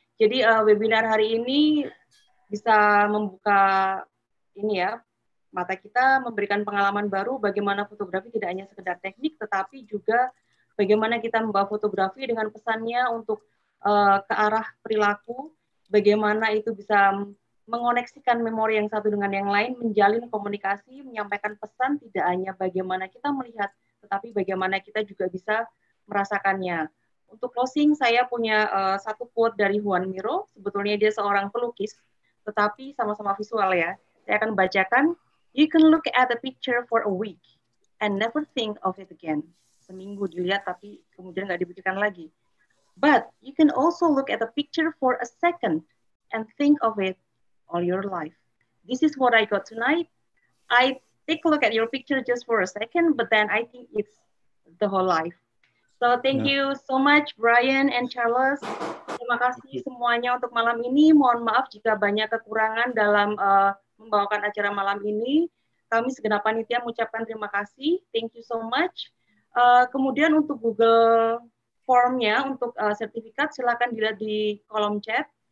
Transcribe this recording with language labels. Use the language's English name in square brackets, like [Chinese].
[Indonesian] Jadi webinar hari ini bisa membuka ini ya, mata kita, memberikan pengalaman baru bagaimana fotografi tidak hanya sekedar teknik, tetapi juga bagaimana kita membawa fotografi dengan pesannya untuk ke arah perilaku, bagaimana itu bisa mengoneksikan memori yang satu dengan yang lain, menjalin komunikasi, menyampaikan pesan, tidak hanya bagaimana kita melihat, tetapi bagaimana kita juga bisa merasakannya. Untuk closing, saya punya satu quote dari Juan Miro. Sebetulnya dia seorang pelukis, tetapi sama-sama visual ya. Saya akan bacakan, [English] "You can look at a picture for a week and never think of it again." [Indonesian] Seminggu dilihat, tapi kemudian nggak dibutuhkan lagi. [English] "But you can also look at a picture for a second and think of it all your life. This is what I got tonight. I take a look at your picture just for a second, but then I think it's the whole life." So thank you so much, Brian and Charles. [Indonesian] Terima kasih semuanya untuk malam ini. Mohon maaf jika banyak kekurangan dalam membawakan acara malam ini. Kami segenap panitia mengucapkan terima kasih. [English] Thank you so much. [Indonesian] Kemudian untuk Google formnya untuk sertifikat, silakan dilihat di kolom chat.